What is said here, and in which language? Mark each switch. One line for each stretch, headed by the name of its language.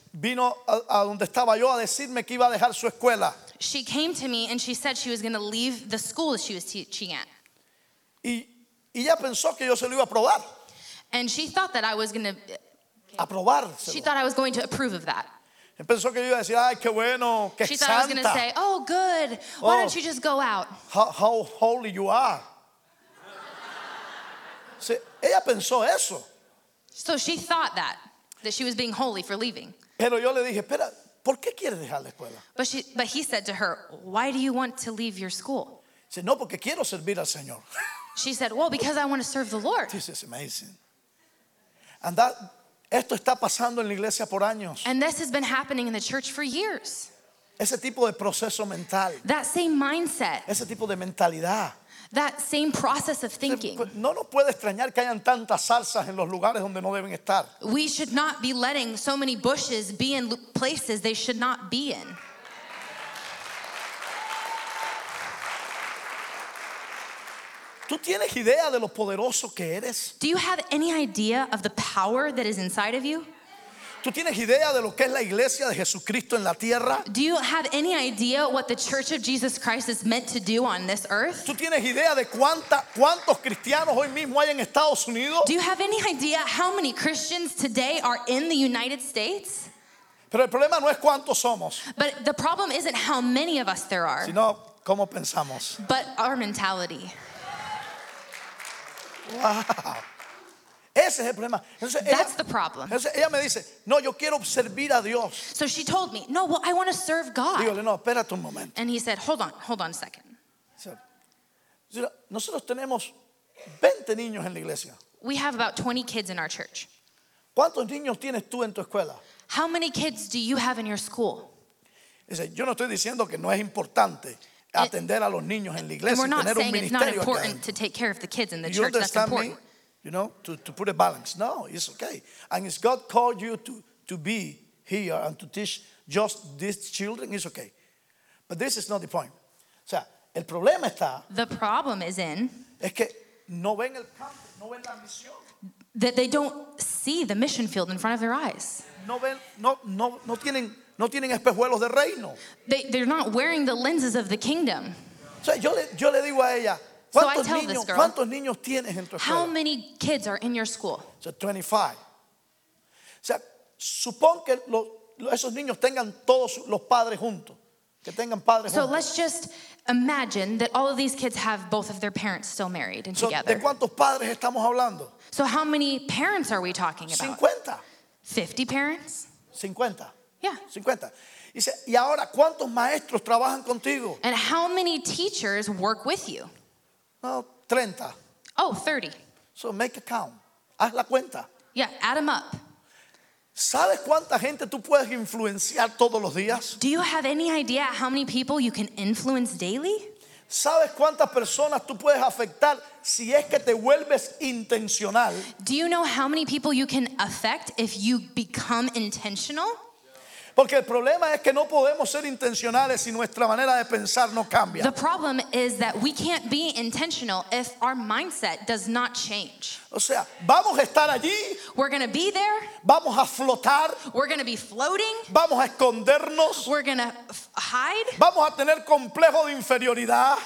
Spanish: Vino a donde estaba yo a decirme que iba a dejar su escuela.
English: She came to me and she said she was going to leave the school she was teaching at.
Spanish: Y ella pensó que yo se lo iba a probar.
English: And she thought that I was going to
Spanish: aprobar.
English: She thought I was going to approve of that.
Spanish: Pensó que yo iba a decir, ay, qué bueno, qué
English: she
Spanish: santa.
English: Thought I was going to say, oh, good. Why don't you just go out? How holy you are.
Spanish: Sí, ella pensó eso.
English: So she thought that she was being holy for leaving.
Spanish: Pero yo le dije, espera, ¿por qué quieres dejar la escuela?
English: But he said to her, why do you want to leave your school?
Spanish: Sí, no, porque quiero servir al Señor.
English: She said, well, because I want to serve the Lord. This is amazing. And that,
Spanish: esto está pasando en la iglesia por años.
English: And this has been happening in the church for years.
Spanish: Ese tipo de proceso mental.
English: That same mindset.
Spanish: Ese tipo de mentalidad.
English: That same process of thinking.
Spanish: No nos puede extrañar que hayan tantas salsas en los lugares donde no deben estar.
English: We should not be letting so many bushes be in places they should not be in.
Spanish: ¿Tú tienes idea de lo poderoso que eres?
English: Do you have any idea of the power that is inside of you?
Spanish: ¿Tú tienes idea de lo que es la iglesia de Jesucristo en la tierra?
English: Do you have any idea what the Church of Jesus Christ is meant to do on this earth?
Spanish: ¿Tú tienes idea de cuántos cristianos hoy mismo hay en Estados Unidos?
English: Do you have any idea how many Christians today are in the United States?
Spanish: Pero el problema no es cuántos somos.
English: But the problem isn't how many of us there are.
Spanish: Sino cómo pensamos.
English: But our mentality.
Spanish: Wow. Ese es el problema. Entonces,
English: that's
Spanish: ella,
English: the problem.
Spanish: Entonces, ella me dice, no, yo quiero servir a Dios.
English: So she told me, no, well, I want to serve God.
Spanish: Dígale, no, espérate un momento.
English: And he said, hold on a second.
Spanish: So, nosotros tenemos 20 niños en la iglesia.
English: We have about 20 kids in our church.
Spanish: ¿Cuántos niños tienes tú en tu escuela?
English: How many kids do you have in your school?
Spanish: Dice, yo no estoy diciendo que no es importante atender a los niños en la iglesia, tener un ministerio acá.
English: We're not saying it's not important to take care of the kids in the you church, that's important. Me? You know, to put a balance. No, it's okay. And if God called you to be here and to teach just these children, it's okay. But this is not the point.
Spanish: O sea, el problema está.
English: The problem is in.
Spanish: Es que no ven el campo, no ven la misión.
English: That they don't see the mission field in front of their eyes.
Spanish: No ven, no tienen espejuelos de reino.
English: They're not wearing the lenses of the kingdom.
Spanish: O sea, yo le digo a ella.
English: So I tell this girl,
Spanish: ¿cuántos niños tienes en tu escuela?
English: How many kids are in your school? So 25.
Spanish: O sea, supón que esos niños tengan todos los padres juntos, que tengan padres juntos.
English: So let's just imagine that all of these kids have both of their parents still married and together.
Spanish: ¿De cuántos padres estamos hablando?
English: So how many parents are we talking about? 50. 50 parents? 50. Yeah.
Spanish: 50. Dice, ¿y ahora cuántos maestros trabajan contigo?
English: And how many teachers work with you?
Spanish: No, 30.
English: Oh, 30. So make a count.
Spanish: Haz la cuenta.
English: Yeah, add them up.
Spanish: ¿Sabes cuánta gente tú puedes influenciar todos los días?
English: Do you have any idea how many people you can influence daily?
Spanish: ¿Sabes cuántas personas tú puedes afectar si es que te vuelves intencional?
English: Do you know how many people you can affect if you become intentional?
Spanish: Porque el problema es que no podemos ser intencionales si nuestra manera de pensar no cambia.
English: The problem is that we can't be intentional if our mindset does not change.
Spanish: O sea, vamos a estar allí.
English: We're going to be there.
Spanish: Vamos a flotar.
English: We're going to be floating.
Spanish: Vamos a escondernos.
English: We're going to hide.
Spanish: Vamos a tener complejo de inferioridad.